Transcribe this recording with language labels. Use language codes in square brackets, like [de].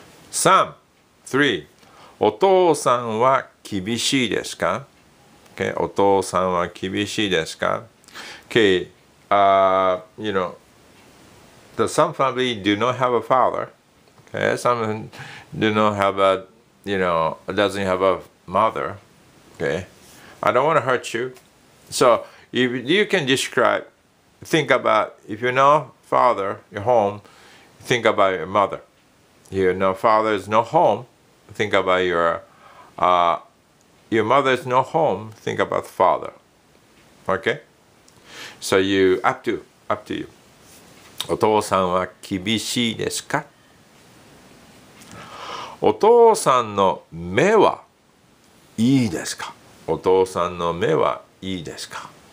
[en] Sam, 3. [ja] お父さんは厳しいですか? Okay, お父さんは厳しいですか? [en] Okay, you know, the some family do not have a father. Okay, some do not have a, you know, doesn't have a,mother, okay, I don't want to hurt you. So if you can describe, think about, if you know father, your home, think about your mother. If you know father is no home, think about your mother is no home, think about father. Okay? So you, up to you. [ja] お父さんは厳しいですか? お父さんの目はいいですか? お父さんの目はいいですか?